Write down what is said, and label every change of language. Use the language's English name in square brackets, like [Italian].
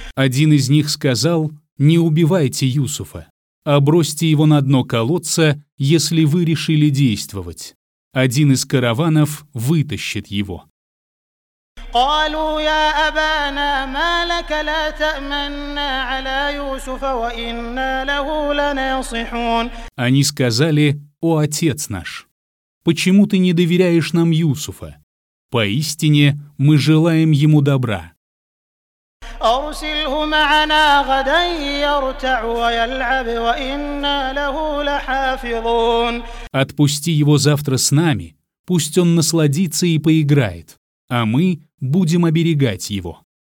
[Russian] Один из них сказал: «Не убивайте Юсуфа, а бросьте его на дно колодца, если вы решили действовать. Один из караванов вытащит его». [Arabic] قالوا يا أبانا ما لك لا تأمننا على يوسف وإنا له لناصحون. [Russian] Они сказали: «О отец наш, почему ты не доверяешь нам Юсуфа? Поистине, мы желаем ему добра». [Arabic] أرسله معنا غدا يرتع ويلعب وإنا له لحافظون. [Russian] Отпусти его завтра с нами, пусть он насладится и поиграет, а мы будем оберегать его.